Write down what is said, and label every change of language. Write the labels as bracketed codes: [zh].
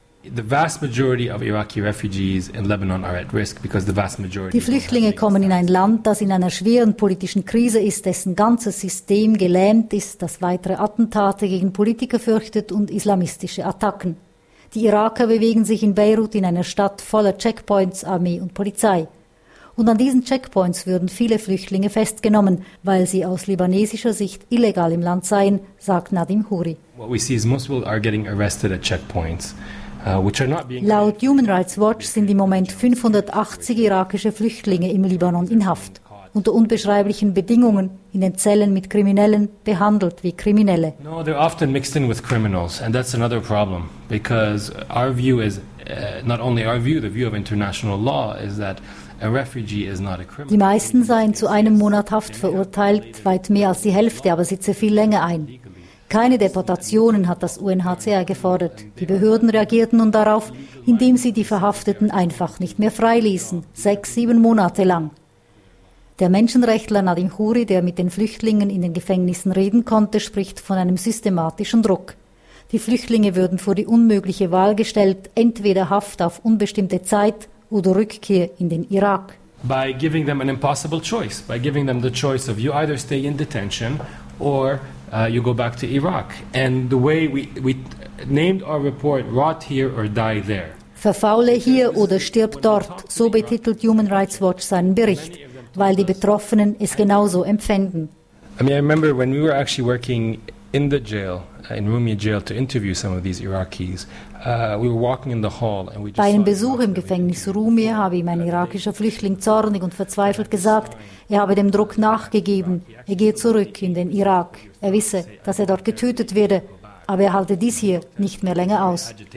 [de] Die Flüchtlinge kommen in ein Land, das in einer schweren politischen Krise ist, dessen ganzes System gelähmt ist, das weitere Attentate gegen Politiker fürchtet und islamistische Attacken. Die Iraker bewegen sich in Beirut in einer Stadt voller Checkpoints, Armee und Polizei. Und an diesen Checkpoints würden viele Flüchtlinge festgenommen, weil sie aus libanesischer Sicht illegal im Land seien, sagt Nadim Khoury. [en] What we see is most people are getting arrested at checkpoints. [de] Laut Human Rights Watch sind im Moment 580 irakische Flüchtlinge im Libanon in Haft, unter unbeschreiblichen Bedingungen, in den Zellen mit Kriminellen, behandelt wie Kriminelle. [en] No, they're often mixed in with criminals, and that's another problem, because our view is not only our view, the view of international law is that a refugee is not a criminal. [de] Die meisten seien zu 1 Monat Haft verurteilt, weit mehr als die Hälfte, aber sitze viel länger ein. Keine Deportationen hat das UNHCR gefordert. Die Behörden reagierten nun darauf, indem sie die Verhafteten einfach nicht mehr freiließen, 6-7 Monate lang. Der Menschenrechtler Nadim Khoury, der mit den Flüchtlingen in den Gefängnissen reden konnte, spricht von einem systematischen Druck. Die Flüchtlinge würden vor die unmögliche Wahl gestellt, entweder Haft auf unbestimmte Zeit oder Rückkehr in den Irak. [en] By giving them an impossible choice, by giving them the choice of you either stay in detention or you go back to Iraq. And the way we named our report, Rot Here or Die There. [de] Verfaule hier oder stirb dort, so betitelt Human Rights Watch seinen Bericht, weil die Betroffenen es genauso empfänden. [en] I mean, I remember when we were actually working in the jail, in Rumia Jail, to interview some of these Iraqis. [de] Bei einem Besuch im Gefängnis Rumi habe ihm ein irakischer Flüchtling zornig und verzweifelt gesagt, er habe dem Druck nachgegeben, er gehe zurück in den Irak. Er wisse, dass er dort getötet werde, aber er halte dies hier nicht mehr länger aus.